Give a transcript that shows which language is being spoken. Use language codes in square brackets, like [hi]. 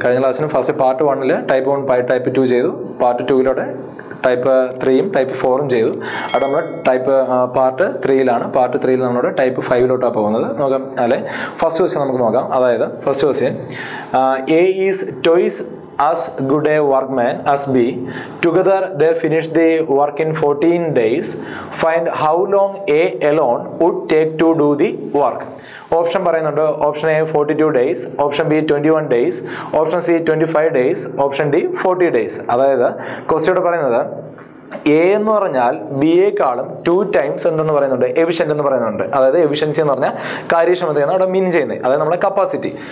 [ml] കഴിഞ്ഞ ക്ലാസ്സിന് first part 1 type 1 type 2 ചെയ്തു, പാർട്ട് 2 ടൈപ്പ് 3 ടൈപ്പ് 4 ചെയ്തു. അവിടെ നമ്മൾ ടൈപ്പ് പാർട്ട് 3 പാർട്ട് 3 നമ്മളിവിടെ ടൈപ്പ് 5 പോകുന്നത്. നോക്കാം, അല്ലെ, ഫസ്റ്റ് ക്വസ്റ്റ്യൻ നമുക്ക് നോക്കാം. അതായത് first question, [en] A is twice as good a workman as B. Together they finish the work in 14 days. Find how long A alone would take to do the work. [ml] Option പറയുന്നുണ്ട്, option A 42 days, option B 21 days, option C 25 days, option D 40 days. അതായത് question പറയുന്നത് A എന്ന് പറഞ്ഞാൽ ബിയേക്കാളും 2 times എന്തെന്ന് പറയുന്നുണ്ട്, efficient എന്ന് പറയുന്നുണ്ട്. അതായത് എഫിഷ്യൻസി എന്ന് പറഞ്ഞാൽ കാര്യക്ഷമതയാണ് അവിടെ മീൻ ചെയ്യുന്നത്, അതായത് നമ്മുടെ കപ്പാസിറ്റി.